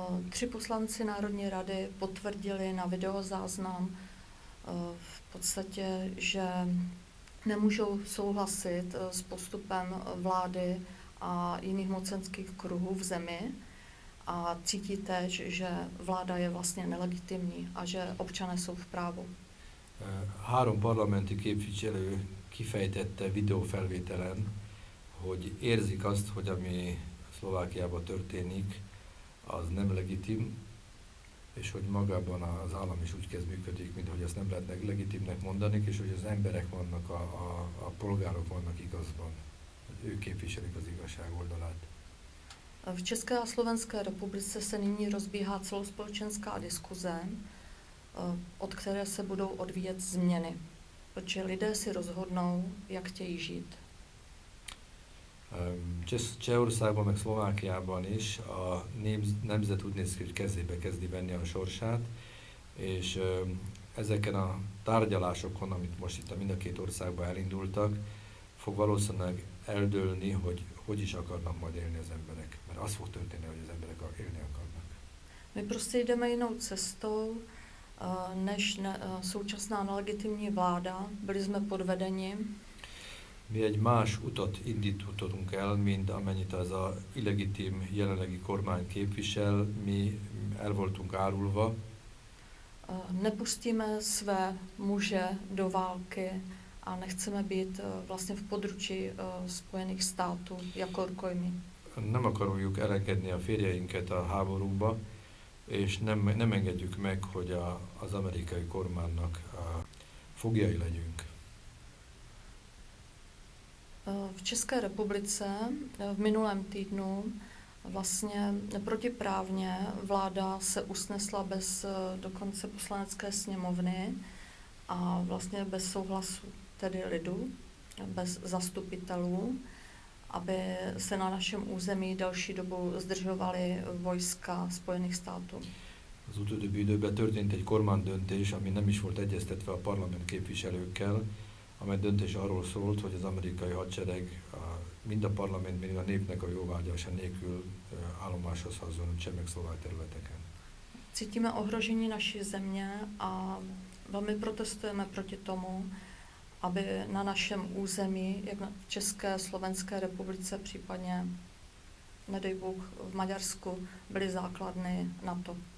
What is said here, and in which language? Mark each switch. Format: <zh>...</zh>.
<cs>Tři poslanci Národní rady potvrdili na videozáznam v podstatě, že nemůžou souhlasit s postupem vlády a jiných mocenských kruhů v zemi a cítí též, že vláda je vlastně nelegitimní a že občané jsou v právu.</cs> <hu>Három parlamenti képviselő kifejtette videófelvételen, hogy érzik azt, hogy ami Szlovákiában történik, az nem legitim, és hogy magában az állam is úgy kezd működik, mint hogy ezt nem lehetne legitimnek mondani, és hogy az emberek vannak, a polgárok vannak igazban. Ők képviselik az igazság oldalát.</hu> <cs>V České a Slovenské republice se nyní rozbíhá celospolečenská diskuze, od které se budou odvíjet změny. Protože lidé si rozhodnou, jak chtějí žít.</cs> <hu>Csehországban, meg Szlovákiában is a nemzet úgy néz ki, hogy kezébe kezdi venni a sorsát, és ezeken a tárgyalásokon, amit most itt a mind a két országban elindultak, fog valószínűleg eldőlni, hogy is akarnak majd élni az emberek. Mert az fog történni, hogy az emberek élni akarnak.</hu> <cs>My prostě jdeme jinou cestou, než současná nelegitimní vláda. Byli jsme pod vedením.</cs> <hu>Mi egy más utat indítottunk el, mint amennyit ez a illegitim jelenlegi kormány képvisel, mi el voltunk árulva.</hu> <cs>Nepustíme své muže do války a nechceme být vlastně v područí Spojených států jako rukojmi.</cs> <hu>Nem akarjuk elengedni a férjeinket a háborúba, és nem engedjük meg, hogy az amerikai kormánynak fogjai legyünk.</hu> <cs>V České republice v minulém týdnu vlastně protiprávně vláda se usnesla bez dokonce poslanecké sněmovny a vlastně bez souhlasu tedy lidu, bez zastupitelů, aby se na našem území další dobu zdržovaly vojska Spojených států.</cs> <hu>Az utóbbi időben történt egy kormánydöntés, ami nem is volt egyeztetve a parlament képviselőkkel, amely döntés arról szólt, hogy az amerikai hadsereg mind a parlament, mind a népnek a jóvágyása nélkül állomáshoz hazon csehszlovák területeken.</hu> <cs>Cítíme ohrožení naší země a velmi protestujeme proti tomu aby na našem území, jak v České, Slovenské republice, případně, nedej Bůh, v Maďarsku, byly základny NATO.</cs>